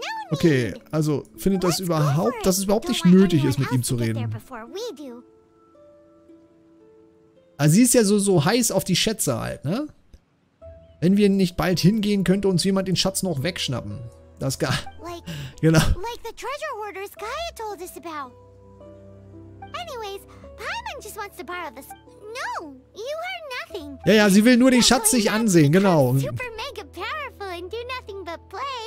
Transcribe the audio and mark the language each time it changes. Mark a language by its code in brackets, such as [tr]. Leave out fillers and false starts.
[de] Okay, also findet das überhaupt, dass es überhaupt nicht nötig ist, mit ihm zu reden. Also sie ist ja so heiß auf die Schätze halt, ne? Wenn wir nicht bald hingehen, könnte uns jemand den Schatz noch wegschnappen. Das gar. [en] Like the treasure hoarders Kaya told us about. Anyways, Paimon just wants to borrow this. No, you heard nothing. [de] Ja, ja, sie will nur den Schatz sich ansehen, genau. [en] Super mega powerful and do nothing but play.